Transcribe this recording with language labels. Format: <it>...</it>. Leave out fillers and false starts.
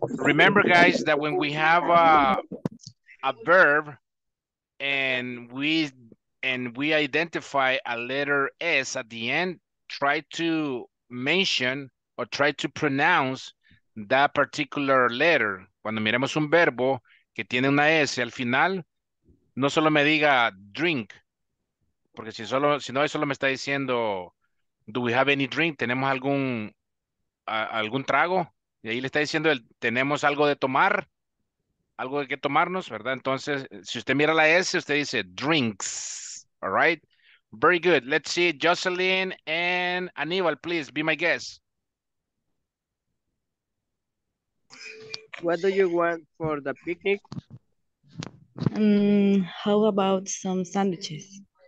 <en>Remember, guys, that when we have a verb and we identify a letter S at the end, try to mention or try to pronounce that particular letter.</en> <es>Cuando miremos un verbo que tiene una S al final, no solo me diga drink, porque si solo me está diciendo,</es> <en>do we have any drink,</en> <es>tenemos algún trago, y ahí le está diciendo, tenemos algo de tomar, algo de que tomarnos, ¿verdad? Entonces, si usted mira la S, usted dice drinks,</es> <en>all right? Very good. Let's see, Jocelyn and Aníbal, please, be my guest. What do you want for the picnic? How about some sandwiches?</en>